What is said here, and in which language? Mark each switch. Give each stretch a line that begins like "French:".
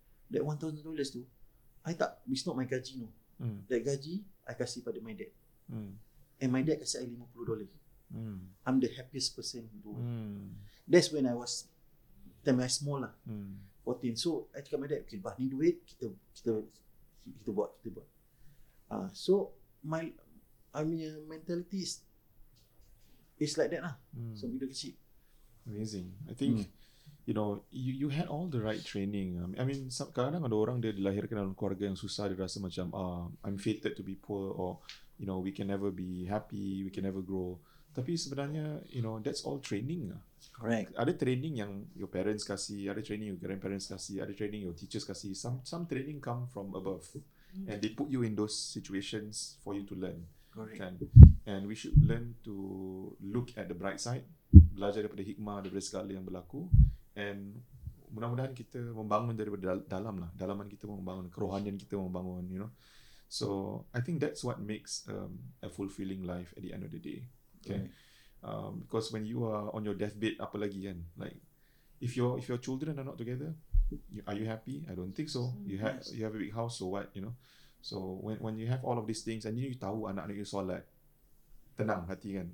English: That $1,000
Malay: tu,
English: it's not my
Malay: gaji
English: no. That gaji I
Malay: kasih pada
English: my dad. And my dad
Malay: kasih
English: I $50. I'm the happiest person bro. That's when I was time I small lah.
Malay: 14.
English: So I
Malay: cakap
English: my dad, okay,
Malay: bah ni duit kita buat.
English: So my
Malay: punya
English: mentality is like that lah.
Malay: So bila kecil.
English: Amazing. I think you know, you had all the right training. I mean,
Malay: kadang-kadang ada orang dia dilahirkan dalam keluarga yang susah, dia rasa macam
English: I'm fated to be poor, or you know, we can never be happy, we can never grow.
Malay: Tapi sebenarnya,
English: you know, that's all training. Correct.
Malay: Ada training yang
English: your parents
Malay: kasih, ada training
English: your grandparents
Malay: kasih, ada training
English: your teachers
Malay: kasih.
English: Some training come from above. And they put you in those situations for you to learn. Correct. And we should learn to look at the bright side,
Malay: belajar daripada hikmah, daripada segala yang berlaku. And mudah-mudahan kita membangun daripada dalam lah. Dalaman kita membangun, kerohanian kita membangun,
English: you know. So, I think that's what makes a fulfilling life at the end of the day. Okay. Because when you are on your deathbed, apa lagi kan? Like, if your children are not together, are you happy? I don't think so. You have a big house, so what? You know. So when you have all of these things, and you
Malay: tahu anak-anak you solat, tenang hati kan?